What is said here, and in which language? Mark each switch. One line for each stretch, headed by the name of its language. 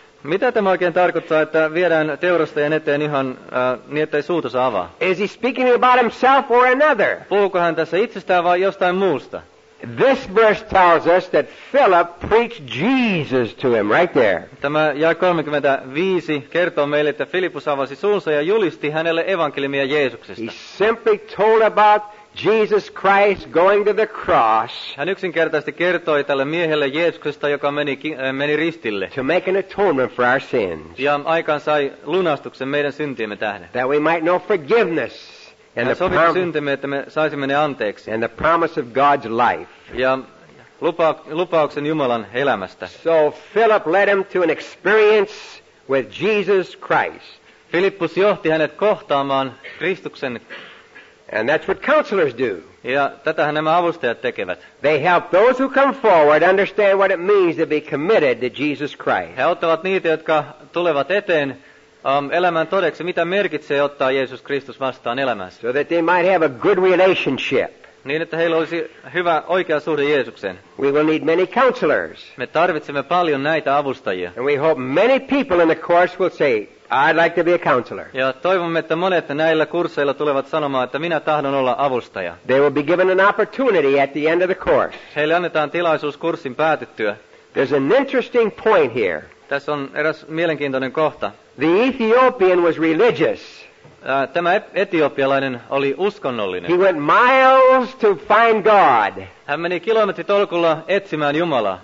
Finnish: Mitä tämä oikein tarkoittaa, että viedään teurastajan eteen ihan niin, ettei suutus avaa?
English: Is he speaking about himself or another?
Finnish: Puhuuko hän tässä itsestään vai jostain muusta?
English: This verse tells us that Philip preached Jesus to him right there.
Finnish: Tämä jae 35 kertoo meille, että Filippus avasi suunsa ja julisti hänelle evankeliumia Jeesuksesta.
English: He simply told about Jesus Christ going to the cross.
Finnish: Hän yksinkertaisesti kertoi tälle miehelle Jeesuksesta, joka meni ristille.
English: To make an atonement for our sins.
Finnish: Ja aikaan sai lunastuksen meidän syntiemme tähden.
English: That we might know forgiveness.
Finnish: Ja sovittu syntimme, että me saisimme ne anteeksi.
English: And the promise of God's life.
Finnish: Ja lupauksen Jumalan elämästä.
English: So Philip led him to an experience with Jesus Christ.
Finnish: Filippus johti hänet kohtaamaan Kristuksen.
English: And that's what counselors do.
Finnish: Ja tätähän nämä avustajat tekevät.
English: They help those who come forward understand what it means to be committed to Jesus Christ.
Finnish: He auttavat niitä, jotka tulevat eteen elämään todeksi, mitä merkitsee ottaa Jeesus Kristus vastaan elämässä.
English: So that they might have a good relationship.
Finnish: Niin, että heillä olisi hyvä oikea suhde Jeesukseen.
English: We will need many counselors.
Finnish: Me tarvitsemme paljon näitä avustajia.
English: And we hope many people in the course will say, I'd like to be a counselor.
Finnish: Ja toivomme, että monet näillä kursseilla tulevat sanomaan, että minä tahdon olla avustaja.
English: They will be given an opportunity at the end of the course.
Finnish: Heille annetaan tilaisuus kurssin päätyttyä.
English: There's an interesting point here.
Finnish: Tässä on eräs mielenkiintoinen kohta.
English: The Ethiopian was religious.
Finnish: Tämä etiopialainen oli uskonnollinen.
English: He went miles to find God.
Finnish: Hän meni kilometritolkulla etsimään Jumalaa.